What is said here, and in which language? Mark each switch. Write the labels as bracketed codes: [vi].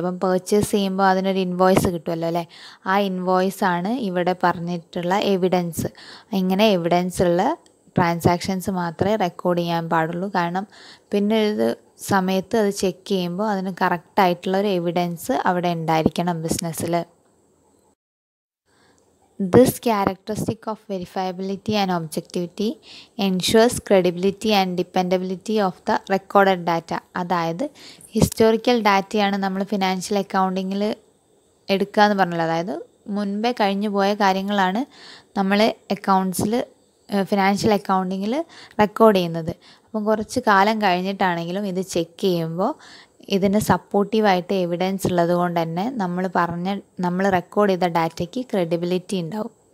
[ml] അപ്പം പർച്ചേസ് ചെയ്യുമ്പോൾ അതിനൊരു ഇൻവോയ്സ് കിട്ടുമല്ലോ അല്ലേ. ആ ഇൻവോയ്സ് ആണ് ഇവിടെ പറഞ്ഞിട്ടുള്ള എവിഡൻസ്. ഇങ്ങനെ എവിഡൻസ് ഉള്ള ട്രാൻസാക്ഷൻസ് മാത്രമേ റെക്കോർഡ് ചെയ്യാൻ പാടുള്ളൂ. കാരണം പിന്നെ ഒരു സമയത്ത് അത് ചെക്ക് ചെയ്യുമ്പോൾ അതിന് കറക്റ്റായിട്ടുള്ളൊരു എവിഡൻസ് അവിടെ ഉണ്ടായിരിക്കണം ബിസിനസ്സിൽ. [en] This characteristic of verifiability and objectivity ensures credibility and dependability of the recorded data. [ml] അതായത് ഹിസ്റ്റോറിക്കൽ ഡാറ്റയാണ് നമ്മൾ ഫിനാൻഷ്യൽ അക്കൗണ്ടിങ്ങിൽ എടുക്കുക എന്ന് പറഞ്ഞല്ലോ. അതായത് മുൻപേ കഴിഞ്ഞു പോയ കാര്യങ്ങളാണ് നമ്മൾ അക്കൗണ്ട്സിൽ ഫിനാൻഷ്യൽ അക്കൗണ്ടിങ്ങിൽ റെക്കോർഡ് ചെയ്യുന്നത്. അപ്പം കുറച്ച് കാലം കഴിഞ്ഞിട്ടാണെങ്കിലും ഇത് ചെക്ക് ചെയ്യുമ്പോൾ ഇതിന് സപ്പോർട്ടീവായിട്ട് എവിഡൻസ് ഉള്ളത് കൊണ്ട് തന്നെ നമ്മൾ പറഞ്ഞ നമ്മൾ റെക്കോർഡ് ചെയ്ത ഡാറ്റയ്ക്ക് ക്രെഡിബിലിറ്റി ഉണ്ടാവും.